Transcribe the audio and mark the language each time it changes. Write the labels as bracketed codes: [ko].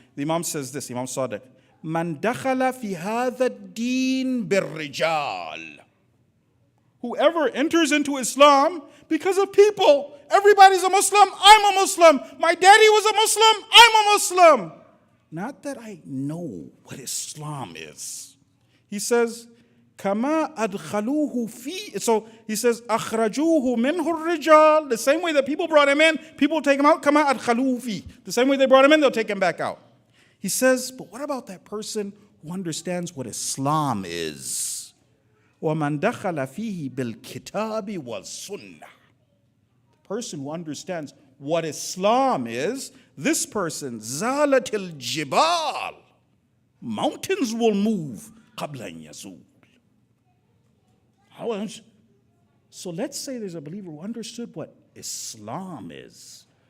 [en] The Imam says this, Imam Sadiq, [ar] من دخل في هذا الدين بالرجال. [en] Whoever enters into Islam because of people. Everybody's a Muslim, I'm a Muslim. My daddy was a Muslim, I'm a Muslim. Not that I know what Islam is. He says, [ar] كما أدخلوه في, [en] so he says, [ar] أخرجوه منه الرجال. [en] The same way that people brought him in, people take him out, [ar] كما أدخلوه في. [en] The same way they brought him in, they'll take him back out. He says, but what about that person who understands what Islam is? [ar] ومن دخل فيه بالكتاب والسنة. [en] Person who understands what Islam is, this person, [ar] زالت الجبال, [en] mountains will move, [ar] قبل أن يزول. [en] So let's say there's a believer who understood what Islam is.